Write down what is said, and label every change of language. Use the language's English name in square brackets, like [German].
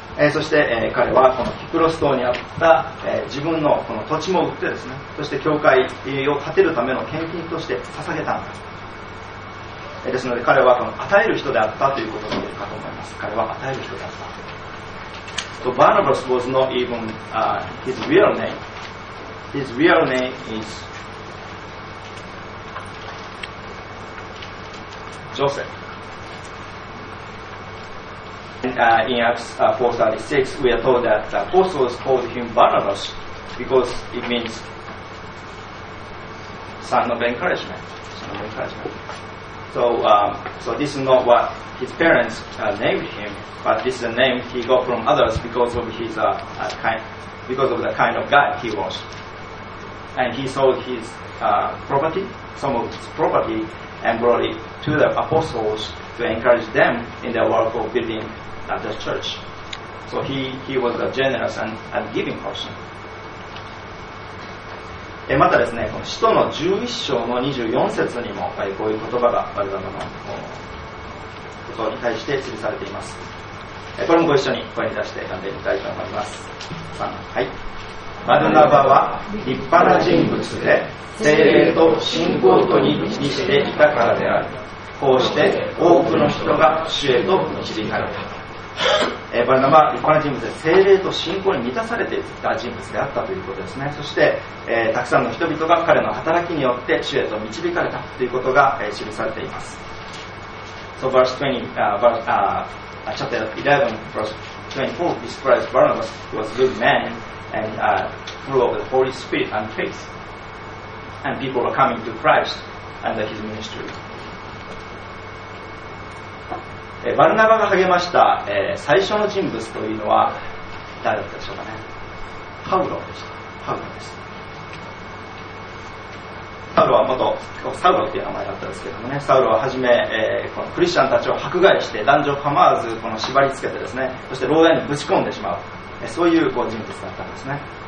[Japanese] そして、彼はこのキプロス島にあった、自分 の、 この土地も売ってですね、そして教会を建てるための献金として捧げたんです。ですので彼はこの与える人であったということが言えるかと思います。彼は与える人であった。 [English] So Barnabas was not even、his real name. His real name is Joseph. And、in Acts 4:36, we are told that the apostles called him Barnabas because it means son of encouragement. Son of encouragement. So,、so this is not what his parents、named him. But this is a name he got from others because of his kind, because of the kind of guy he was. And he sold his property, some of his property, and brought it to the apostles to encourage them in their work of building the church. So he was a generous and giving person. [Japanese] またですね、この使徒の11章の24節にもこういう言葉がバルナバのことに対して記されています。これもご一緒に声に出して読んでみたいと思います。3、はい、バルナバは立派な人物で聖霊と信仰とに満ちていたからである。こうして多くの人が主へと導かれた。バルナバは立派な人物で聖霊と信仰に満たされていた人物であったということですね。そして、たくさんの人々が彼の働きによって主へと導かれたということが、記されています。 [English] So verse 20、Chapter 11, verse 24 describes Barnabas, who was a good man and full of the Holy Spirit and faith. And people were coming to Christ under his ministry. [Japanese] バルナバが励ました、最初の人物というのは誰だったでしょうかね。パウロでした。パウロです。サウロは元サウロという名前だったんですけどもね、サウロははじめ、このクリスチャンたちを迫害して男女構わずこの縛りつけてですね、そして牢屋にぶち込んでしまう、そういう人物だったんですね。